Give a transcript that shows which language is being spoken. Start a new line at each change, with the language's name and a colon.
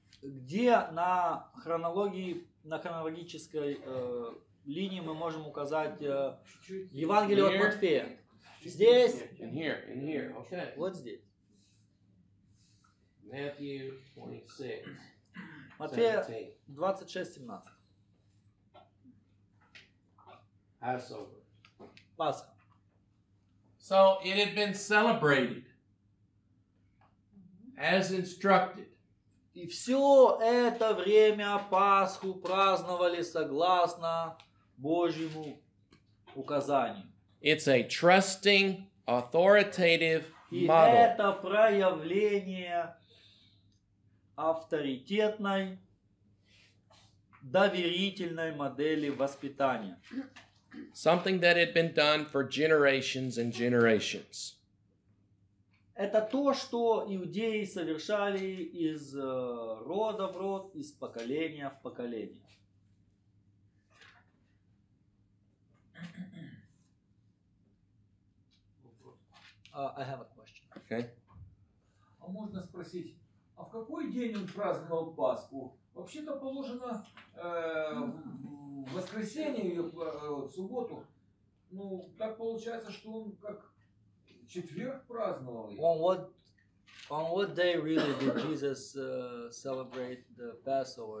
Russian: Где на хронологии, на хронологической линии мы можем указать Евангелие от Матфея? Здесь.
English: In here. Okay.
Russian: Вот здесь.
English: Matthew 26:17. Passover. Pascha. So it had been celebrated as instructed.
Russian: И все это время Пасху праздновали согласно Божьему указанию.
English: It's a trusting, authoritative model.
Russian: И это проявление авторитетной, доверительной модели воспитания.
English: Something that had been done for generations and generations.
Russian: Это то, что иудеи совершали из рода в род, из поколения в поколение.
English: I have a question. Okay.
Russian: А можно спросить, а в какой день он праздновал Пасху? Вообще-то положено в воскресенье, в субботу. Ну, так получается, что он как четверг праздновал.
English: On what day really did Jesus celebrate the Passover?